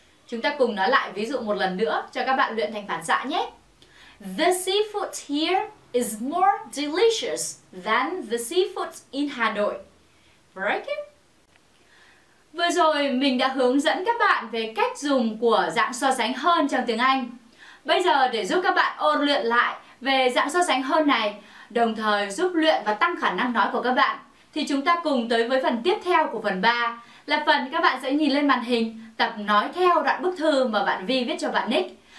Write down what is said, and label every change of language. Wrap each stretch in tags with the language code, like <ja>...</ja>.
<vi>Chúng ta cùng nói lại ví dụ một lần nữa cho các bạn luyện thành phản xạ nhé.</vi> <en>The seafood here is more delicious than the seafood in Hà Nội. Break it.</en> <vi>Vừa rồi mình đã hướng dẫn các bạn về cách dùng của dạng so sánh hơn trong tiếng Anh. Bây giờ để giúp các bạn ôn luyện lại về dạng so sánh hơn này, đồng thời giúp luyện và tăng khả năng nói của các bạn, thì chúng ta cùng tới với phần tiếp theo của phần 3, là phần các bạn sẽ nhìn lên màn hình tập nói theo đoạn bức thư mà bạn Vi viết cho bạn Nick.</vi>